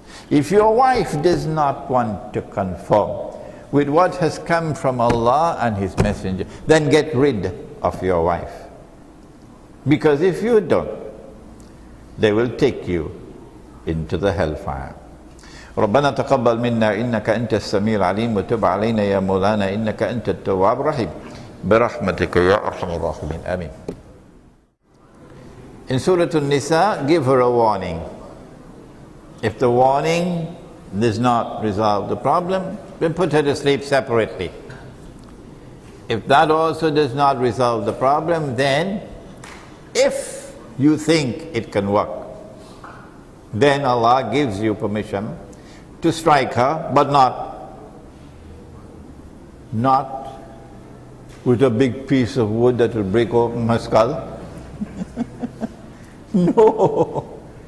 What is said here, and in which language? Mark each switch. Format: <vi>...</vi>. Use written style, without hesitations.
<en>If your wife does not want to conform with what has come from Allah and His Messenger, then get rid of your wife. Because if you don't, they will take you into the hellfire.</en> <ar>ربنا تقبل منا إنك أنت السميع العليم وتب علينا يا مولانا إنك أنت التواب الرحيم برحمتك يا أرحم الراحمين آمين.</ar> <en>In Surah An-Nisa, give her a warning. If the warning does not resolve the problem, then put her to sleep separately. If that also does not resolve the problem, then if you think it can work, then Allah gives you permission to strike her, but not with a big piece of wood that will break open her skull. No,</en>